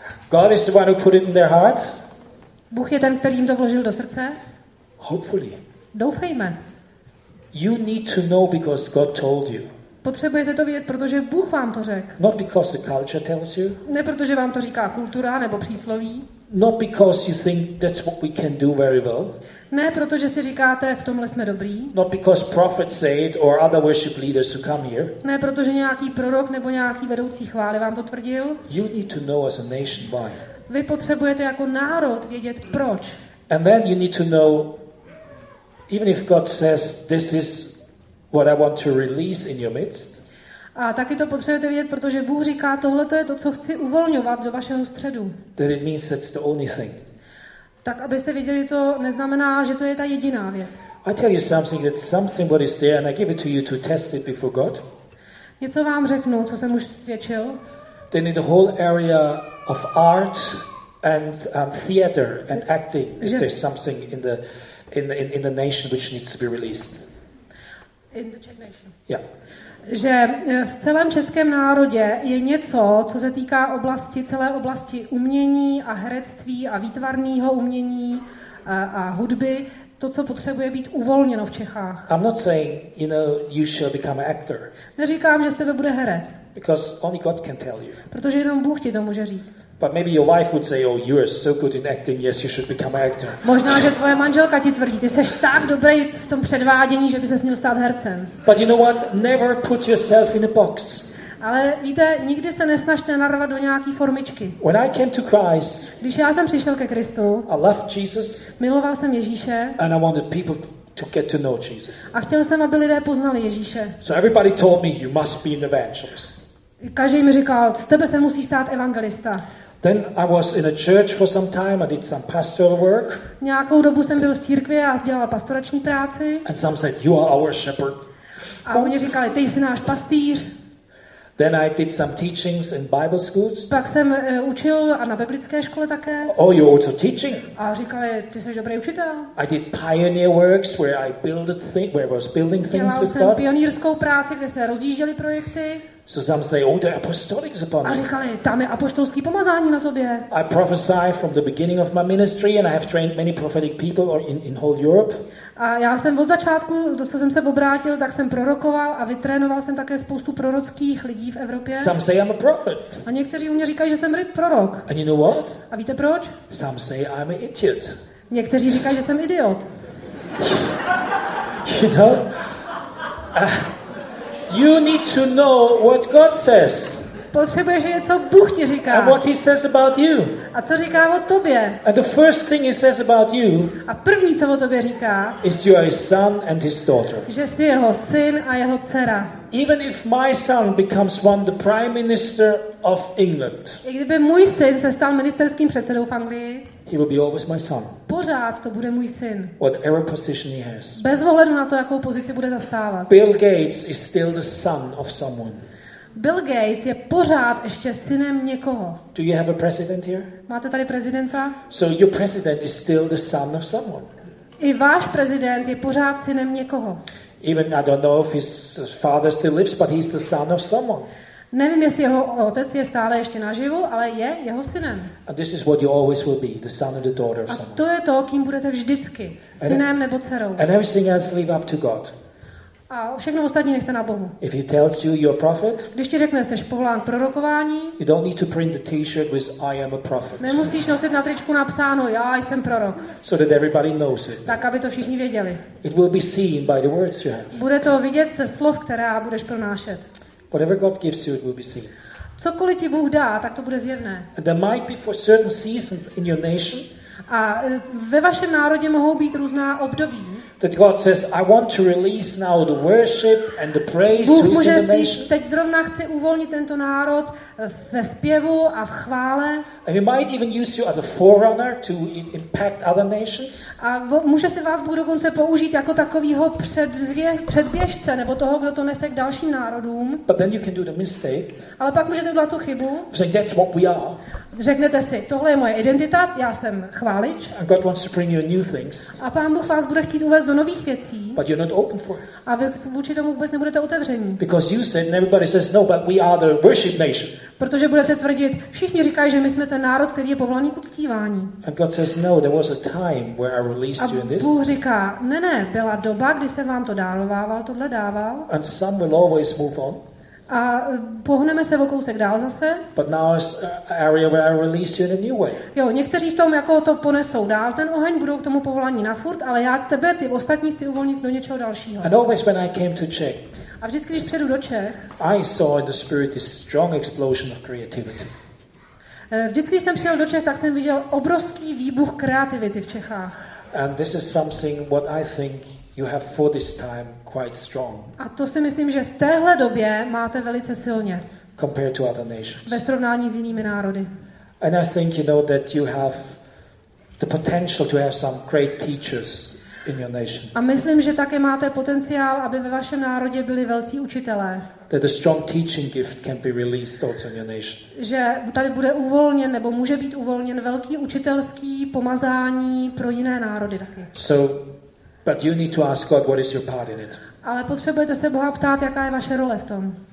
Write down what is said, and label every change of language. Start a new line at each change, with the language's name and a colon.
English: God is the one who put it in their heart?
Czech: Bůh je ten, který jim to vložil do srdce?
English: Hopefully.
Czech: Doufejme.
English: You need to know because God told you.
Czech: Potřebujete to vědět, protože Bůh vám to řekl.
English: Not because the culture tells you.
Czech: Ne protože vám to říká kultura nebo přísloví.
English: Not because you think that's what we can do very well.
Czech: Ne, protože si říkáte, v tomhle jsme dobrý.
English: Not because prophets say it or other worship leaders who come here.
Czech: Ne, protože nějaký prorok nebo nějaký vedoucí chvály vám to tvrdil.
English: You need to know as a nation why.
Czech: Vy potřebujete jako národ vědět proč.
English: And then you need to know, even if God says this is what I want to release in your midst.
Czech: A taky to potřebujete vědět, protože Bůh říká, tohle to je to, co chci uvolňovat do vašeho středu.
English: That it means that's the only thing.
Czech: Tak abyste viděli, to neznamená, že to je ta jediná věc.
English: I tell you something that something what is there and I give it to you to test it before God.
Czech: Něco vám řeknu, co jsem už svědčil.
English: Then in the whole area of art And theater and acting, if yes. there's something in the in the nation which needs to be released. In the Czech nation. Yeah.
Czech: Že v celém českém národě je něco, co se týká oblasti, celé oblasti umění a herectví a výtvarného umění a hudby, to, co potřebuje být uvolněno v Čechách.
English: I'm not saying, you know, you shall become an actor.
Czech: Neříkám, že z tebe bude herec.
English: Because only God can tell you.
Czech: Protože jenom Bůh ti to může říct.
English: But maybe your wife would say, oh, you are so good in acting, yes, you should become an actor.
Czech: Možná, že tvoje manželka ti tvrdí, ty seš tak dobrý v tom předvádění, že by ses měl stát hercem.
English: But you know what? Never put yourself in a box.
Czech: Ale víte, nikdy se nesnažte narvat do nějaký formičky.
English: When I came to Christ,
Czech: když já jsem přišel ke Kristu,
English: I loved Jesus,
Czech: miloval jsem Ježíše,
English: and I wanted people to get to know Jesus.
Czech: A chtěl jsem, aby lidé poznali Ježíše.
English: So everybody told me, you must be an evangelist.
Czech: Každý mi říkal, z tebe se musí stát evangelista.
English: Then I was in a church for some time. I did some pastoral work.
Czech: Nějakou dobu jsem byl v církvi a dělal pastorační práci.
English: And some said, you are our shepherd.
Czech: A oni říkali, ty jsi náš pastýř.
English: Then I did some teachings in Bible schools.
Czech: Pak jsem učil a na biblické škole také.
English: Oh, you're also teaching.
Czech: A říkali, ty jsi dobrý učitel.
English: I did pioneer works where I built things, where I was building things with God.
Czech: Dělal jsem pionýrskou práci, kde se rozjížděly projekty.
English: So some say, oh, the apostolic is upon me.
Czech: A říkali, tam je apoštolský pomazání na tobě.
English: I prophesy from the beginning of my ministry and I have trained many prophetic people in whole Europe.
Czech: A já jsem od začátku, dostal jsem se obrátil, tak jsem prorokoval a vytrénoval jsem také spoustu prorockých lidí v Evropě.
English: Some say I'm a prophet.
Czech: A někteří u mě říkají, že jsem prorok.
English: And you know what?
Czech: A víte proč?
English: Some say I'm an idiot.
Czech: Někteří říkají, že jsem idiot.
English: You know? You need to know what God says.
Czech: Potřebuješ vědět, co Bůh ti říká.
English: And what he says about you.
Czech: A co říká o tobě?
English: And the first thing he says about you.
Czech: A první, co o tobě říká?
English: Is you are his son and his daughter.
Czech: Že jsi jeho syn a jeho dcera.
English: Even if my son becomes one the prime minister of England.
Czech: I kdyby můj syn se stal ministerským předsedou v Anglii.
English: He will be always my son.
Czech: Pořád to bude můj syn.
English: Whatever position he has.
Czech: Bez ohledu na to, jakou pozici bude zastávat.
English: Bill Gates is still the son of someone.
Czech: Bill Gates je pořád ještě synem někoho.
English: Do you have a president here?
Czech: Máte tady prezidenta?
English: So your president is still the son of someone.
Czech: I váš prezident je pořád synem někoho.
English: Even I don't know if his father still lives, but he's the son of someone.
Czech: Nevím, jestli jeho otec je stále ještě naživu, ale je jeho synem.
English: And this is what you always will be, the son and the daughter of someone.
Czech: A to je to, kým budete vždycky, synem nebo dcerou.
English: And everything else leave up to God.
Czech: A všechno ostatní nechte na Bohu.
English: If he tells you you're a prophet,
Czech: když ti řekne, že jsi povolán k prorokování,
English: you don't need to print the t-shirt with I am a prophet.
Czech: Nemusíš nosit na tričku napsáno já jsem prorok.
English: So that everybody knows it.
Czech: Tak aby to všichni věděli.
English: It will be seen by the words you have.
Czech: Bude to vidět ze slov, která budeš pronášet.
English: Whatever God gives you, it will be seen.
Czech: Cokoliv ti Bůh dá, tak to bude zjevné.
English: There might be for certain seasons in your nation.
Czech: A ve vašem národě mohou být různá období.
English: That God says, I want to release now the worship and the praise
Czech: Bůh
English: within the nation.
Czech: Bůh teď zrovna chce uvolnit tento národ ve zpěvu a v chvále.
English: And he might even use you as a forerunner to impact other nations.
Czech: A může se vás Bůh dokonce použít jako takového předběžce nebo toho, kdo to nese k dalším národům.
English: But then you can do the mistake.
Czech: Ale pak můžete udělat tu chybu.
English: Saying, that's what we are.
Czech: Řeknete si, tohle je moje identita, já jsem chválič.
English: And God wants to bring you new things.
Czech: A Pán Bůh vás bude chtít uvést do nových věcí.
English: But you're not open for it.
Czech: A vy vůči tomu vůbec nebudete otevření.
English: Because you said, and everybody says, no, but we are the worship nation.
Czech: Protože budete tvrdit, všichni říkají, že my jsme ten národ, který je povolaný k uctívání.
English: And God says, no, there was a time where I released you in this.
Czech: A Bůh říká, ne, byla doba, kdy jsem vám to daroval, tohle dával.
English: And some will always move on.
Czech: A pohneme se o kousek dál zase.
English: But now is area where I release you in a new way.
Czech: Jo, někteří v tom jako to ponesou dál ten oheň, budou k tomu povolání na furt, ale já tebe, ty ostatní chci uvolnit do něčeho dalšího.
English: And always when I came to Czech.
Czech: A vždycky, když přijdu do Čech.
English: I saw in the spirit this strong explosion of creativity.
Czech: Vždycky, když jsem přijel do Čech, tak jsem viděl obrovský výbuch kreativity v Čechách.
English: And this is something what I think you have for this time quite strong.
Czech: A to si myslím, že v téhle době máte velice silně.
English: Compared to other nations.
Czech: Ve srovnání s jinými národy.
English: And I think you know that you have the potential to have some great teachers. in your nation.
Czech: A myslím, že také máte potenciál, aby ve vašem národě byli velcí učitelé.
English: That a strong teaching gift can be released also in your nation.
Czech: Že tady bude uvolněn nebo může být uvolněn velký učitelský pomazání pro jiné národy také.
English: So, but you need to ask God what is your part in it.
Czech: Ale potřebujete se Boha ptát, jaká je vaše role v tom.